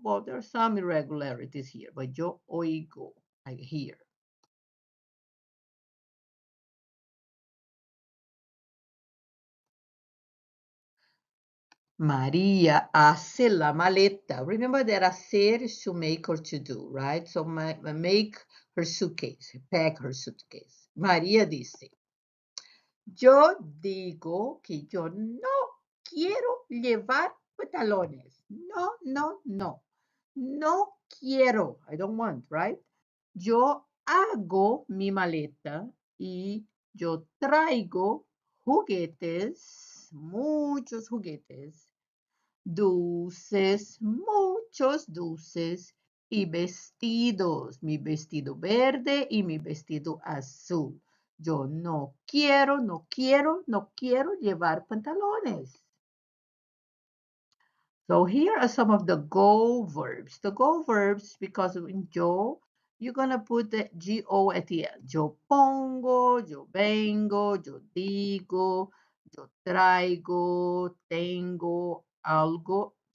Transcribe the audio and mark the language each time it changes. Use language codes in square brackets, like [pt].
[en] Well, there are some irregularities here, but [es] yo oigo, [en] I hear. [es] María hace la maleta. [en] Remember that hacer is to make or to do, right? So make her suitcase, pack her suitcase. [es] María dice, yo digo que yo no quiero llevar pantalones. No, no, no. No quiero. [en] I don't want, right? [es] Yo hago mi maleta y yo traigo juguetes, muchos juguetes, dulces, muchos dulces y vestidos. Mi vestido verde y mi vestido azul. Yo no quiero, no quiero, no quiero llevar pantalones. [en] So here are some of the go verbs. The go verbs, because in yo, you're gonna put the G-O at the end. [es] Yo pongo, yo vengo, yo digo, yo traigo, tengo, algo.